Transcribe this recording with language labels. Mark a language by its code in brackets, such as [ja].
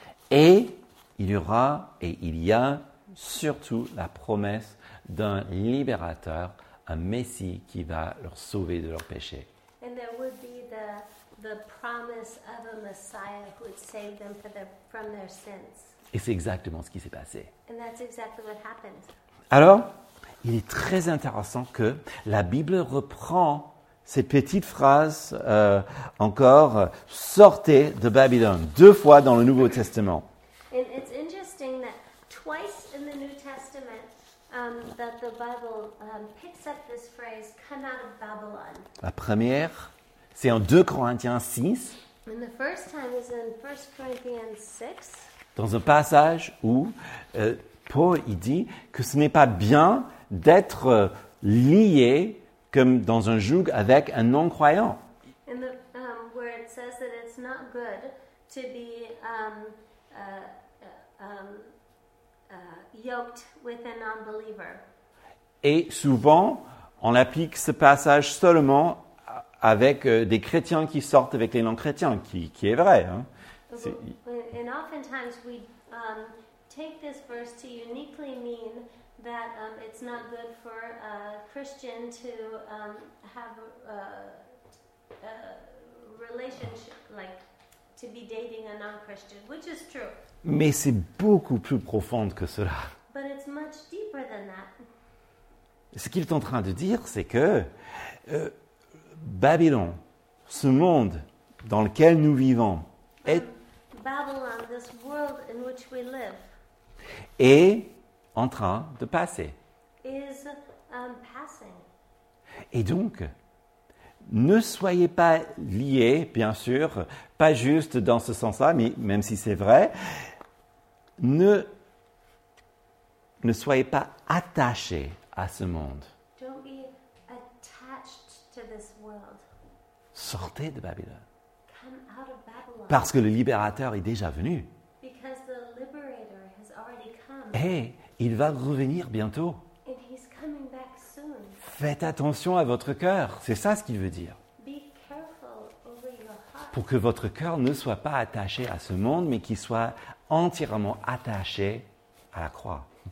[fr] Et il y aura et il y a surtout la promesse d'un libérateur, un Messie qui va leur sauver de leurs péchés. [en] And there would be the promise of a Messiah who would save them from their sins. [fr] Et c'est exactement ce qui s'est passé. [en] And that's exactly what happened. [fr] Alors, il est très intéressant que la Bible reprend ces petites phrases encore sortez de Babylone deux fois dans le Nouveau Testament. [en] And it's interesting that twice in the New Testament that the Bible picks up this phrase come out of Babylon. [fr] La première, c'est en 2 Corinthiens 6. [en] And the first time is in 1 Corinthians 6. [fr] Dans un passage où Paul il dit que ce n'est pas bien d'être lié comme dans un joug avec un non-croyant. [en] In the where it says that it's not good to be yoked with a non-believer. [fr] Et souvent, on applique ce passage seulement avec des chrétiens qui sortent avec les non-chrétiens, qui est vrai. Hein? C'est... [en] And oftentimes we take this verse to uniquely mean that it's not good for a Christian to have a relationship, like to be dating a non-Christian, which is true. [fr] Mais c'est beaucoup plus profond que cela. [en] But it's much deeper than that. [fr] Ce qu'il est en train de dire, c'est que Babylone, ce monde dans lequel nous vivons, est [en] Babylon, this world in which we live, [fr] est en train de passer. [en] Is, passing. [fr] Et donc, ne soyez pas liés, bien sûr, pas juste dans ce sens-là, mais même si c'est vrai, ne soyez pas attachés à ce monde. [en] Don't be attached to this world. [fr] Sortez de Babylone. [en] Come out of Babylon. [fr] Parce que le libérateur est déjà venu. [en] Because the liberator has already come. [fr] Et il va revenir bientôt. [en] And he's coming back soon. [fr] Faites attention à votre cœur. C'est ça ce qu'il veut dire. [en] Be careful over your heart. [fr] Pour que votre cœur ne soit pas attaché à ce monde, mais qu'il soit entièrement attaché à la croix.